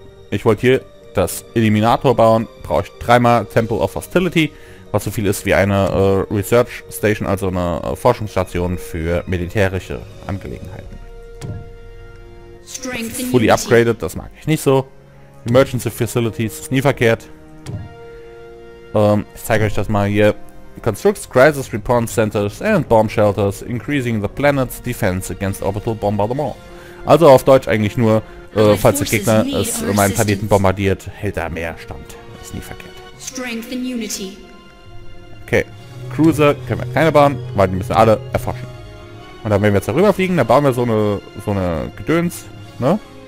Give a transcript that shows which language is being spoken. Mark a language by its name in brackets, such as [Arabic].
[German] Ich wollte hier das Eliminator bauen, brauche ich dreimal Temple of Hostility, was so viel ist wie eine Research Station, also eine Forschungsstation für militärische Angelegenheiten. [English] Strength fully Unity. [German] Upgraded, das mag ich nicht so. Emergency Facilities ist nie verkehrt. Ich zeige euch das mal hier. [English] Constructs Crisis Response Centers and Bomb Shelters, increasing the planet's defense against orbital bombardment. [German] Also auf Deutsch eigentlich nur, falls der Gegner es meinen Planeten bombardiert, hält er mehr Stand. Ist nie verkehrt. [English] Strength and Unity. [German] Okay, Cruiser können wir keine bauen, weil die müssen alle erforschen. Und dann, wenn wir jetzt darüber fliegen, dann bauen wir so eine Gedöns, ne?